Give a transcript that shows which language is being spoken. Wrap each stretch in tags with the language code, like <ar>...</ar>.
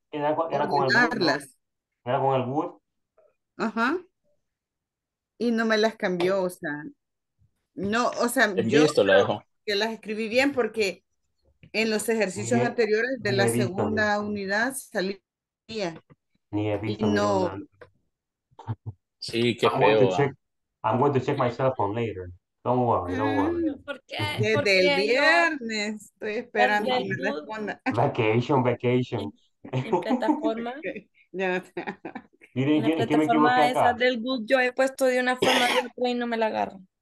<es>Era con el Word. ¿No? Era con el Word. Ajá. Y no me las cambió, o sea... No, o sea, que las escribí bien porque en los ejercicios anteriores de la segunda unidad salía. Ni he visto. qué feo.</es> <en>I'm going to check my cell phone later. Don't worry.</en> <es>Desde el viernes estoy esperando que me responda.</es> <en>Vacation.</en> <es>En plataforma esa del Google, yo he puesto de una forma de otra y no me la agarro.</es>